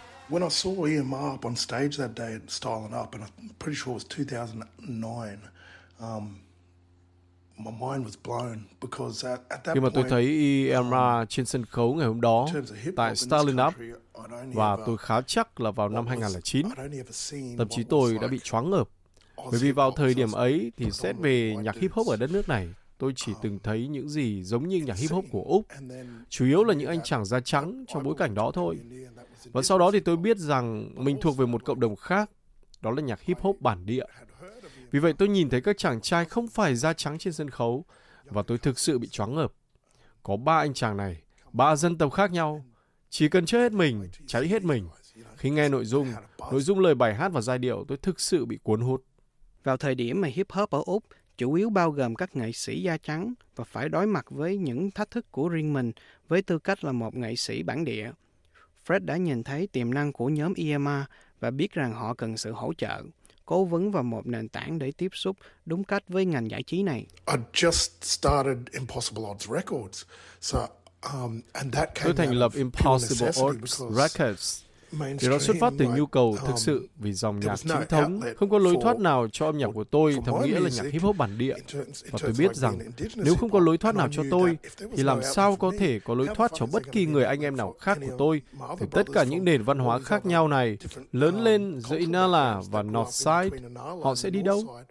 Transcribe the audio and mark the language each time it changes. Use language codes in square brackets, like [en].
[en] When I saw EMR up on stage that day at Styling Up, and I'm pretty sure it was 2009, my mind was blown because at that point, [vi] khi mà tôi thấy EMR trên sân khấu ngày hôm đó tại Styling Up, và tôi khá chắc là vào năm 2009, thậm chí tôi đã bị choáng ngợp, bởi vì vào thời điểm ấy thì xét về nhạc hip hop ở đất nước này, tôi chỉ từng thấy những gì giống như nhạc hip hop của Úc, chủ yếu là những anh chàng da trắng trong bối cảnh đó thôi. Và sau đó thì tôi biết rằng mình thuộc về một cộng đồng khác, đó là nhạc hip hop bản địa. Vì vậy tôi nhìn thấy các chàng trai không phải da trắng trên sân khấu và tôi thực sự bị choáng ngợp. Có ba anh chàng này, ba dân tộc khác nhau, chỉ cần chơi hết mình, cháy hết mình. Khi nghe nội dung lời bài hát và giai điệu, tôi thực sự bị cuốn hút. Vào thời điểm mà hip hop ở Úc chủ yếu bao gồm các nghệ sĩ da trắng và phải đối mặt với những thách thức của riêng mình với tư cách là một nghệ sĩ bản địa, Fred đã nhìn thấy tiềm năng của nhóm EMR và biết rằng họ cần sự hỗ trợ, cố vấn và một nền tảng để tiếp xúc đúng cách với ngành giải trí này. [en] I just started Impossible Odds Records, so And that came [vi] tôi thành lập Impossible Arts Records. Thì nó xuất phát từ nhu cầu thực sự vì dòng nhạc chính thống, không có lối thoát nào cho âm nhạc của tôi, theo nghĩa là nhạc hip hop bản địa. Và tôi biết rằng, nếu không có lối thoát nào cho tôi, thì làm sao có thể có lối thoát cho bất kỳ người anh em nào khác của tôi, thì tất cả những nền văn hóa khác nhau này, lớn lên giữa Inala và Northside, họ sẽ đi đâu?